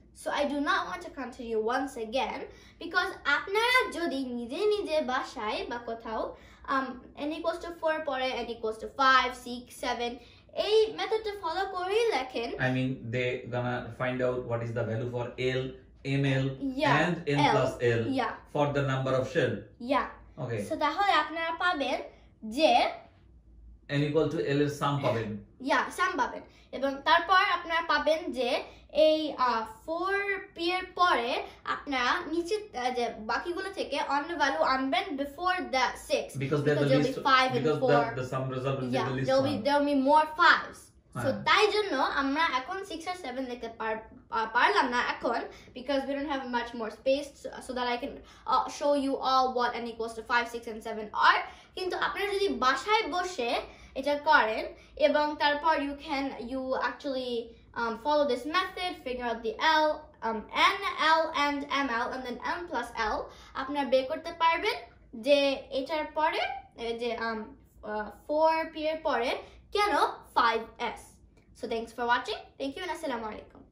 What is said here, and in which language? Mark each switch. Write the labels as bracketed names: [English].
[English] So I do not want to continue once again because [Bangla] আপনারা যদি নিজে নিজে বাসায় বা কোথাও n equals to 4 পরে n equals to 5, 6, 7 এই মেথডটা ফলো করে লেখেন. [English] I mean they gonna find out what is the value for l, ml, yeah, and n l, plus l, yeah, for the number of shell. Yeah. Okay. [Bangla] So তাহলে আপনারা পাবেন যে n equal to l এর সাম পাবেন. Yeah, সাম পাবেন এবং তারপর আপনারা পাবেন যে এই 4 পেয়ার পরে আপনারা নিচে যে বাকিগুলো থেকে অন্য ভ্যালু আনবেন before the 6 [English] Because they will be 5 and 4 because the some result will be list will be they will be more 5স. [Bangla] So তাই জন্য আমরা এখন 6 আর 7 লিখতে পারলাম না এখন [English] Because we don't have much more space so that I can show you all what N equals to 5 6 and 7 are. [Bangla] কিন্তু আপনারা যদি বাসায় বসে এটা করেন এবং তারপর [English] You can you actually follow this method, figure out the L, N, L, and ML, and then M plus L. [Bangla] আপনার বের করতে পারবেন যে এটার পরে যে 4p এর পরে কেন 5s. [English] So thanks for watching. Thank you [Bangla] and assalamu alaikum.